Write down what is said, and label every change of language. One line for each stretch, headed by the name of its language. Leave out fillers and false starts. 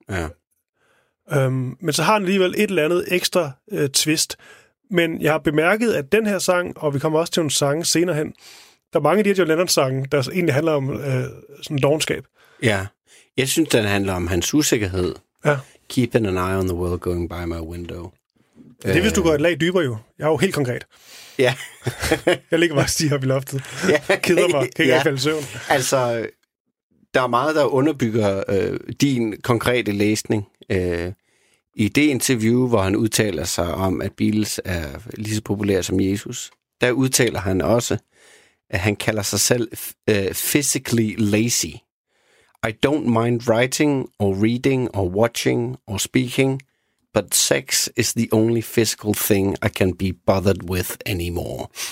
Danish: Ja. Men så har han alligevel et eller andet ekstra twist. Men jeg har bemærket, at den her sang, og vi kommer også til nogle sange senere hen, der er mange af de her John Lennon-sange, der egentlig handler om sådan en dovenskab. Ja, jeg synes, den handler om hans usikkerhed. Ja.
English: Keeping an eye on the world going by my window.
Danish: Det er, hvis du går et lag dybere jo. Jeg er jo helt konkret. Ja. Jeg ligger bare og stiger op i loftet. Ja. Keder mig. Kan ikke falde søvn. Altså, der er meget, der underbygger din konkrete læsning. I det interview, hvor han udtaler sig om, at Beatles er lige så populære som Jesus, der udtaler han også, at han kalder sig selv
English: physically lazy. I don't mind writing or reading or watching or speaking, but sex is the only physical thing I can be bothered with anymore.